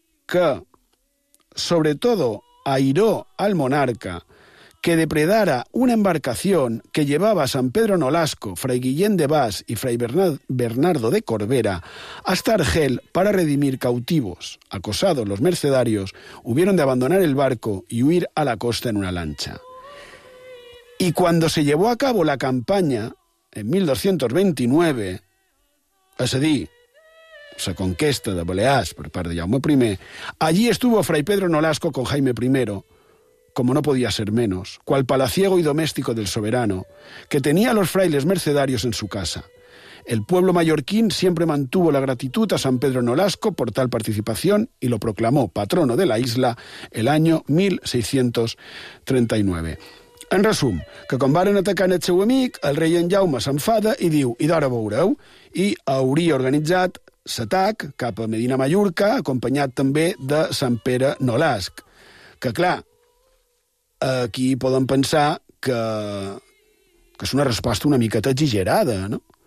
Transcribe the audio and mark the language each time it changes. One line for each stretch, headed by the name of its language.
Spanish: que, sobretot, airó al monarca que depredara una embarcación que llevaba a San Pedro Nolasco, Fray Guillén de Bas y Fray Bernardo de Corbera hasta Argel para redimir cautivos. Acosados los mercedarios, hubieron de abandonar el barco y huir a la costa en una lancha. Y cuando se llevó a cabo la campaña, en 1229,
Catalan: es a dir, la conquesta de Balears
Spanish: por parte de Jaume I, allí estuvo Fray Pedro Nolasco con Jaime I, como no podía ser menos, cual palaciego y doméstico del soberano, que tenía a los frailes mercedarios en su casa. El pueblo mallorquín siempre mantuvo la gratitud a San Pedro Nolasco por tal participación y lo proclamó patrono de la isla el año 1639.
Catalan: En resum, que quan varen atacar el seu amic, el rei en Jaume s'enfada i diu: "I d'ara veureu", i hauria organitzat l'atac cap a Medina Mallorca, acompanyat també de Sant Pere Nolasc. Que, clar, aquí podem pensar que és una resposta una miqueta exagerada, no?